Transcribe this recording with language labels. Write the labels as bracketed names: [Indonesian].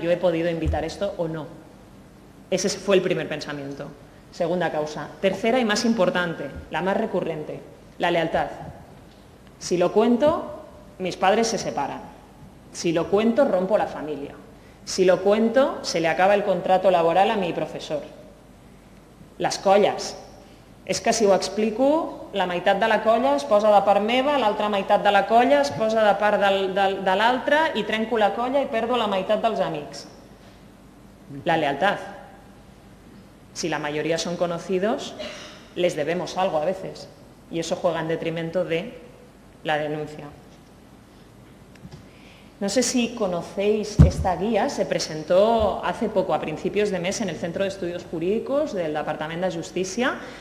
[Spanish] ¿Yo he podido invitar esto o no? Ese fue el primer pensamiento. Segunda causa. Tercera y más importante, la más recurrente, la lealtad. Si lo cuento, mis padres se separan. Si lo cuento, rompo la familia. Si lo cuento, se le acaba el contrato laboral a mi profesor. Las colles. [Catalan] És que si ho explico, la meitat de la colla es posa de part meva, l'altra meitat de la colla es posa de part de l'altra i trenco la colla i perdo la meitat dels amics. La lealtat. [Spanish] Si la mayoría son conocidos, les debemos algo a veces. Y eso juega en detrimento de la denuncia. No sé si conocéis esta guía, se presentó hace poco, a principios de mes, en el Centro de Estudios Jurídicos del Departamento de Justicia.